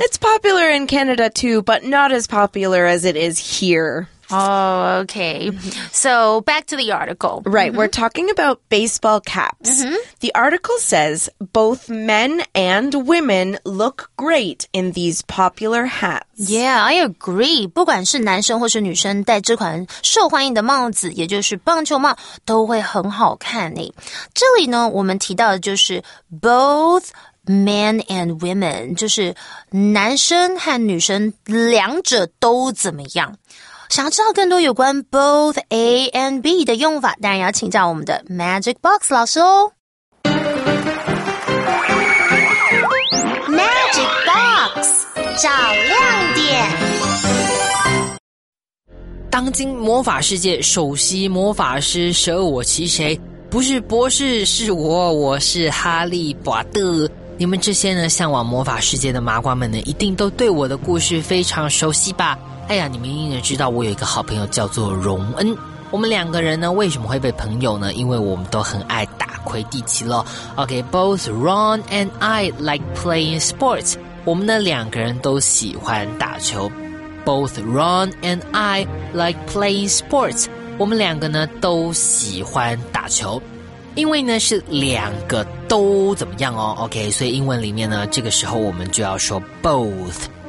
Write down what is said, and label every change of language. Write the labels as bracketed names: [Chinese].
[English] It's popular in Canada, too, but not as popular as it is here. Oh, okay. So, back to the article. Right, mm-hmm. we're talking about baseball caps. Mm-hmm. The article says, both men and women look great in these popular hats. Yeah, I agree. [Chinese] 不管是男生或是女生戴这款受欢迎的帽子，也就是棒球帽，都会很好看耶。这里呢，我们提到的就是 [English] both men and women, [Chinese] 就是男生和女生两者都怎么样。想知道更多有关 both A and B 的用法，当然要请教我们的 Magic Box 老师哦。 Magic Box 找亮点。当今魔法世界首席魔法师舍我其谁？不是博士，是我，我是哈利波特。你们这些呢，向往魔法世界的麻瓜们呢，一定都对我的故事非常熟悉吧？哎呀，你们应该知道我有一个好朋友叫做荣恩。我们两个人呢，为什么会被朋友呢？因为我们都很爱打魁地奇咯。 [English] Okay, both Ron and I like playing sports. [Chinese] 我们呢，两个人都喜欢打球。 [English] Both Ron and I like playing sports. [Chinese] 我们两个呢，都喜欢打球。因为呢，是两个都怎么样哦 ？Okay, 所以英文里面呢，这个时候我们就要说 both。